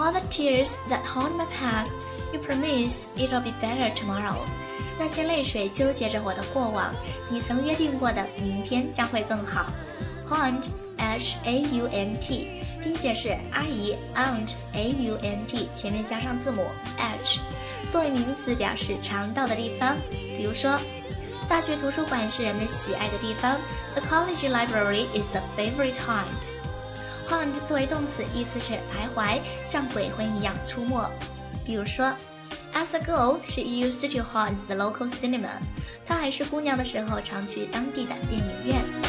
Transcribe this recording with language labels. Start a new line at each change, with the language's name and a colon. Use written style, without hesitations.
English: Tears that haunt my past, you promise it'll be better tomorrow.
Chinese: 那些泪水纠结着我的过往，你曾约定过的明天将会更好。 Haunt, H-A-U-N-T, 拼写是阿姨 aunt, A-U-N-T, 前面加上字母 H, 作为名词表示常到的地方。比如说，大学图书馆是人们喜爱的地方。
English: The college library is a favorite haunt.
Chinese: Haunt 作为动词，意思是徘徊，像鬼魂一样出没。比如说
English: ，As a girl, she used to haunt the local cinema.
Chinese: 她还是姑娘的时候，常去当地的电影院。